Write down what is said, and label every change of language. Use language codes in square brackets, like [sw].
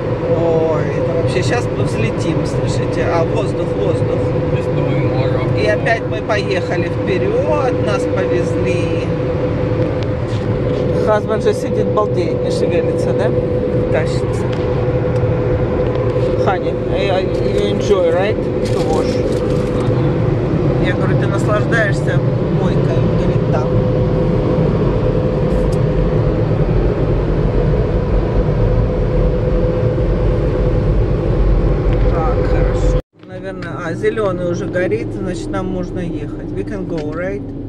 [ru] Ой, это вообще сейчас мы взлетим, слышите? А воздух, воздух. И опять мы поехали вперед, нас повезли. Хазбан же сидит, балдеет, не шевелится, да? Тащится. [en] Хани, you enjoy, right? [ru] Ты вож. Я говорю, ты наслаждаешься мойкой, он говорит, да. Так, хорошо. Наверное, зеленый уже горит, значит, нам можно ехать. [en] We can go, right?